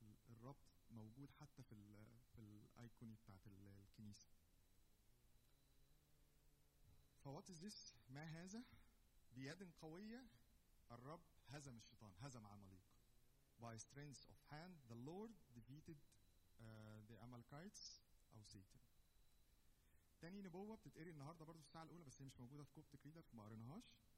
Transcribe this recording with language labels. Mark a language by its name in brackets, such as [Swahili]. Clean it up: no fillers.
[Arabic] الربط موجود حتى في الايكون بتاعت الكنيسة. [English] فوات ازيس, [Arabic] ما هذا؟ بيد قوية الرب هزم الشيطان, هزم عمالق. [English] By strength of hand the Lord defeated the Amalekites أو Satan. [Arabic] تاني نبوة بتتقري النهاردة برضو الساعة الأولى, بس هي مش موجودة في كوبتك ريدر ما قريناهاش.